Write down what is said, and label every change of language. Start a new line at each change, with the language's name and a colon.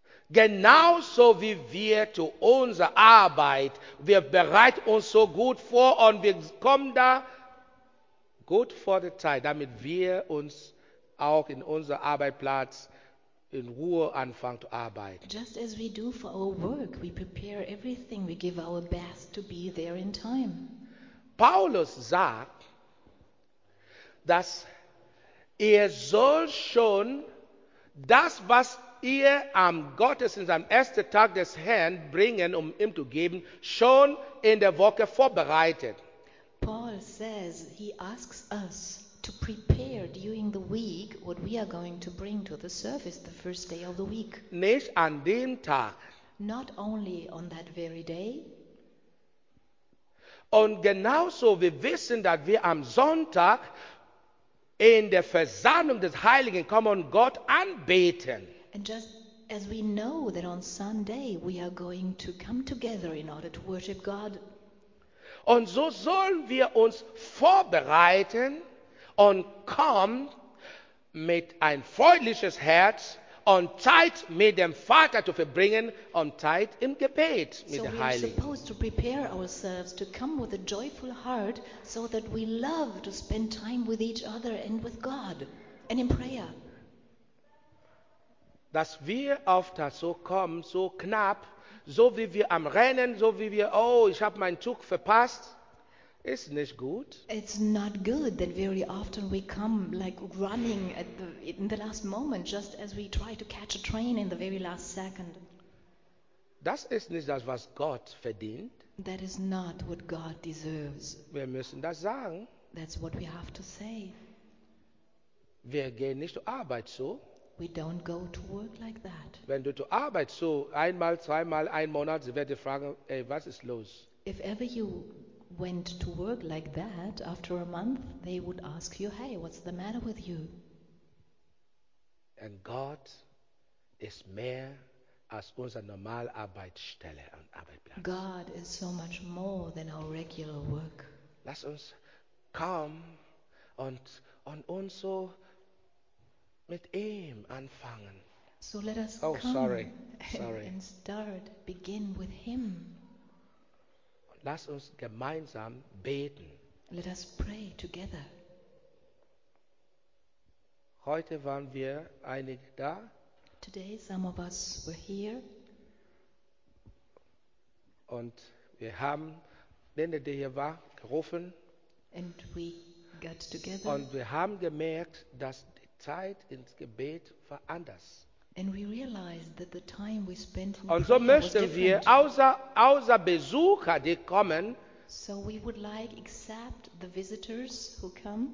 German: Genauso wie wir zu unserer Arbeit, wir bereiten uns so gut vor und wir kommen da gut vor der Zeit, damit wir uns auch in unserem Arbeitsplatz in Ruhe anfangen zu arbeiten.
English: Just as we do for our work, we prepare everything, we give our best to be there in time.
German: Paulus sagt, dass ihr soll schon das, was ihr am Gottesdienst, am ersten Tag des Herrn bringen, um ihm zu geben, schon in der Woche vorbereitet.
English: Paul says, he asks us to prepare during the week what we are going to bring to the service the first day of the week.
German: Nicht an dem Tag.
English: Not only on that very day.
German: Und genauso, wir wissen, dass wir am Sonntag in der Versammlung des Heiligen kommen und Gott anbeten.
English: And just as we know that on Sunday we are going to come together in order to worship God.
German: Und so sollen wir uns vorbereiten und kommen mit ein freundliches Herz und Zeit mit dem Vater zu verbringen und Zeit im Gebet mit dem Heiligen.
English: So we are supposed to prepare ourselves to come with a joyful heart so that we love to spend time with each other and with God and in prayer.
German: Dass wir oft so kommen, so knapp, so wie wir am Rennen, so wie wir, oh, ich habe meinen Zug verpasst, ist nicht gut.
English: It's not good that very often we come like running in the last moment, just as we try to catch a train in the very last second.
German: Das ist nicht das, was Gott verdient.
English: That is not what God deserves.
German: Wir müssen das sagen.
English: That's what we have to say.
German: Wir gehen nicht zur Arbeit so.
English: We don't go to work like that.
German: Wenn du zur Arbeit so einmal, zweimal, ein Monat, sie werden fragen, ey, was ist los?
English: If ever you went to work like that after a month, they would ask you, hey, what's the matter with you? And God is
German: mehr als unsere normale Arbeitsstelle und Arbeitsplatz.
English: God is so much more than our regular work.
German: Lass uns kommen und uns so mit ihm anfangen.
English: So let us come and start, begin with him.
German: Lass uns gemeinsam beten.
English: Let us pray together.
German: Heute waren wir einige da.
English: Today some of us were here.
German: Und wir haben den, der hier war, gerufen.
English: And we got together.
German: Und wir haben gemerkt, dass Zeit ins Gebet war anders.
English: And we realized that the time we spent in
German: und so möchten wir, außer Besucher, die kommen,
English: so we would like, except the visitors who come,